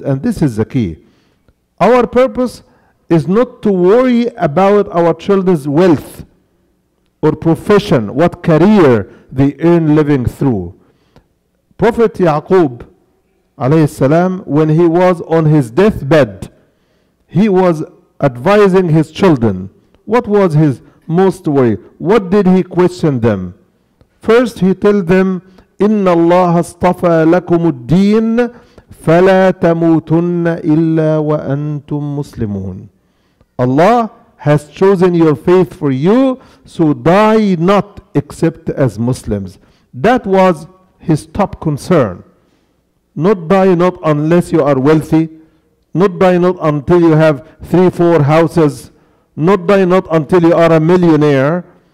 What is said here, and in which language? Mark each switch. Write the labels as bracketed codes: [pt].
[en] And this is the key. Our purpose is not to worry about our children's wealth or profession, what career they earn living through. Prophet Yaqub, alayhi salam, when he was on his deathbed, he was advising his children. What was his most worry? What did he question them? First, he told them, [ar] إِنَّ اللَّهَ اصْطَفَى لَكُمُ الدِّينَ فَلَا تَمُوتُنَّ إِلَّا وَأَنْتُمْ مُسْلِمُونَ. [en] Allah has chosen your faith for you, so die not except as Muslims. That was his top concern. Not die not unless you are wealthy. Not die not until you have 3-4 houses. Not die not until you are a millionaire.